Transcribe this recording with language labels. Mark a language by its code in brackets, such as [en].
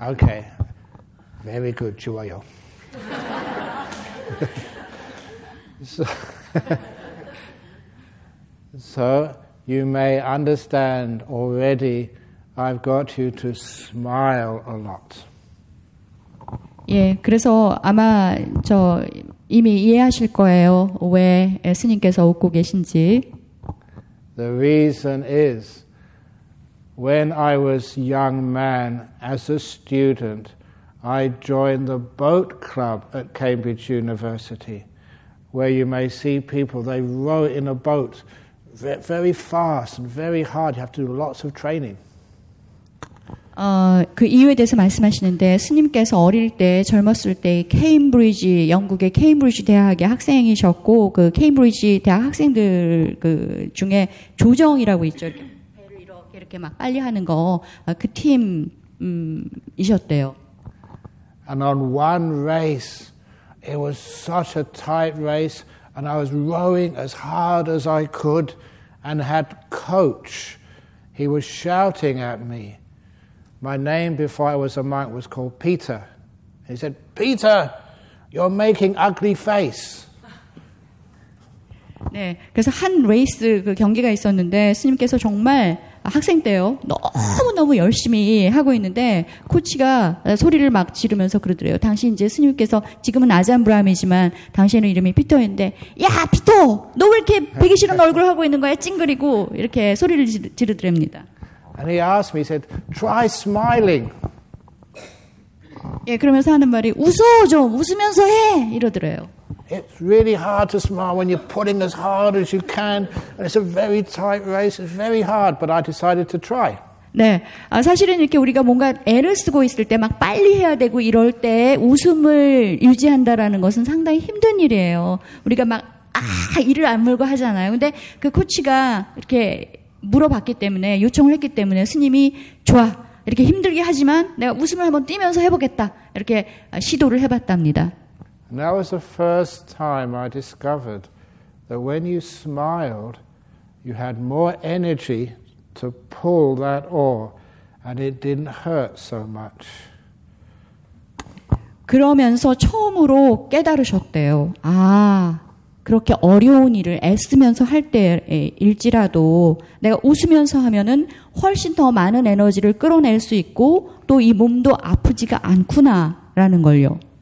[en] Okay. Very good. [ko] 좋아요. [en] So you may understand already. I've got you to smile a lot. [ko] 예, 그래서 아마 저 이미 이해하실 거예요. 왜 스님께서 웃고 계신지. [en] The reason is when I was young man as a student, I joined the boat club at Cambridge University, where you may see people they row in a boat very fast and very hard. You have to do lots of training. [ko] 그 이유에 대해서 말씀하시는데 스님께서 어릴 때 젊었을 때 케임브리지 영국의 케임브리지 대학의 학생이셨고 그 케임브리지 대학 학생들 그 중에 조정이라고 있죠. 배를 이렇게 막 빨리 하는 거 그 팀이셨대요. [en] And on one race it was such a tight race and I was rowing as hard as I could and had coach. He was shouting at me. My name before I was a monk was called Peter. He said, "Peter, you're making ugly face." [ko] 네, 그래서 한 레이스 그 경기가 있었는데 스님께서 정말 학생 때요 너무 너무 열심히 하고 있는데 코치가 소리를 막 지르면서 그러더래요. 당신 이제 스님께서 지금은 아잔 브라함이지만 당신의 이름이 피터인데, 야 피터, 너 왜 이렇게 배기 싫은 얼굴 하고 있는 거야? 찡그리고 이렇게 소리를 지르더랍니다. [en] And he asked me, he said, try smiling. [ko] 예, 그러면서 하는 말이, 웃어 좀, 웃으면서 해, 이러더래요. [en] It's really hard to smile when you're putting as hard as you can. And it's a very tight race, it's very hard, but I decided to try. [ko] 네, 사실은 이렇게 우리가 뭔가 애를 쓰고 있을 때 막 빨리 해야 되고 이럴 때 웃음을 유지한다라는 것은 상당히 힘든 일이에요. 우리가 막, 이를 안 물고 하잖아요. 근데 그 코치가 이렇게 물어봤기 때문에 요청을 했기 때문에 스님이 좋아 이렇게 힘들게 하지만 내가 웃음을 한번 띄면서 해보겠다 이렇게 시도를 해봤답니다. [en] And that was the first time I discovered that when you smiled, you had more energy to pull that oar, and it didn't hurt so much. [ko] 그러면서 처음으로 깨달으셨대요. 아. 그렇게 어려운 일을 애쓰면서 할 때일지라도 내가 웃으면서 하면은 훨씬 더 많은 에너지를 끌어낼 수 있고 또 이 몸도 아프지가 않구나라는 걸요.